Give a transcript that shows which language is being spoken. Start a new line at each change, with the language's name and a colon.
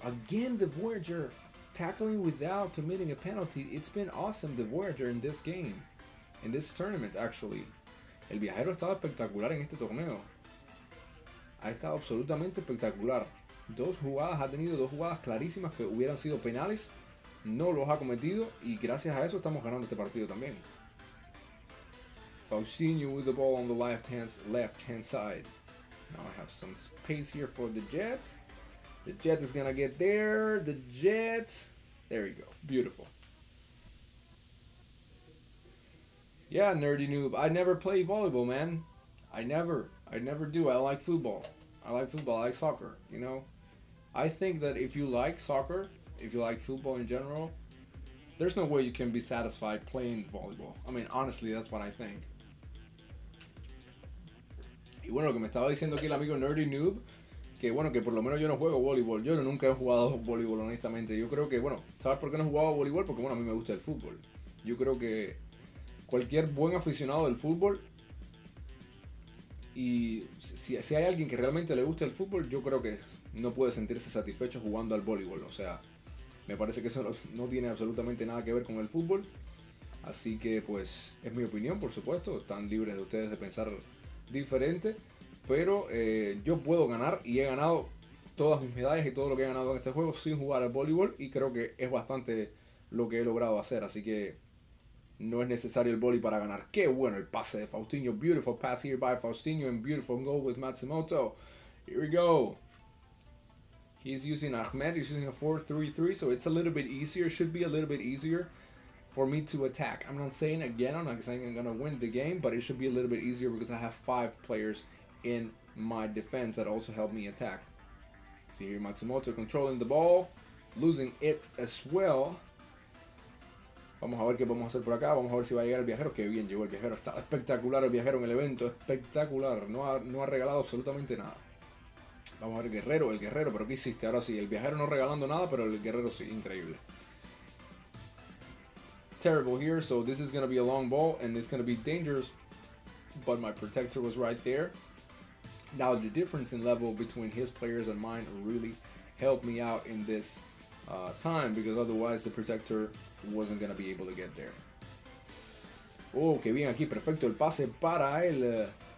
English: Again, the Voyager tackling without committing a penalty. It's been awesome, the Voyager, in this game. In this tournament, actually.
Spanish: El viajero ha estado espectacular en este torneo. Ha estado absolutamente espectacular. Dos jugadas, ha tenido dos jugadas clarísimas que hubieran sido penales. No los ha cometido y gracias a eso estamos ganando este partido también.
English: Faustino with the ball on the left hand side. Now I have some space here for the Jets. The Jet is gonna get there. The Jet. There you go. Beautiful. Yeah, nerdy noob. I never play volleyball, man. I never do. I like football. I like football. I like soccer, you know. I think that if you like soccer, if you like football in general, there's no way you can be satisfied playing volleyball. I mean, honestly, that's what I think.
Spanish: Y bueno, lo que me estaba diciendo aquí el amigo Nerdy Noob, que bueno, que por lo menos yo no juego voleibol. Yo nunca he jugado voleibol, honestamente. Yo creo que, bueno, ¿sabes por qué no he jugado voleibol? Porque, bueno, a mí me gusta el fútbol. Yo creo que cualquier buen aficionado del fútbol, y si hay alguien que realmente le gusta el fútbol, yo creo que no puede sentirse satisfecho jugando al voleibol. O sea, me parece que eso no tiene absolutamente nada que ver con el fútbol. Así que, pues, es mi opinión, por supuesto. Están libres de ustedes de pensar diferente. Pero yo puedo ganar y he ganado todas mis medallas y todo lo que he ganado en este juego sin jugar al voleibol. Y creo que es bastante lo que he logrado hacer. Así que no es necesario el voleibol para ganar. ¡Qué bueno el pase de Faustino!
English: Beautiful pass here by Faustino and beautiful goal with Matsumoto. Here we go. He's using Ahmed, he's using a 4-3-3, so it's a little bit easier, should be a little bit easier for me to attack. I'm not saying I'm gonna win the game, but it should be a little bit easier because I have 5 players in my defense that also help me attack. See here Matsumoto controlling the ball, losing it as well.
Spanish: Vamos a ver qué podemos hacer por acá, vamos a ver si va a llegar el viajero. Qué bien llegó el viajero, está espectacular el viajero en el evento, espectacular, no ha regalado absolutamente nada. Vamos a ver, el guerrero, pero ¿qué hiciste? Ahora sí, el viajero no regalando nada, pero el guerrero sí, increíble.
English: Terrible here, so this is going to be a long ball, and it's going to be dangerous, but my protector was right there. Now, the difference in level between his players and mine really helped me out in this time, because otherwise the protector wasn't going to be able to get there.
Spanish: Oh, qué bien aquí, perfecto, el pase para el...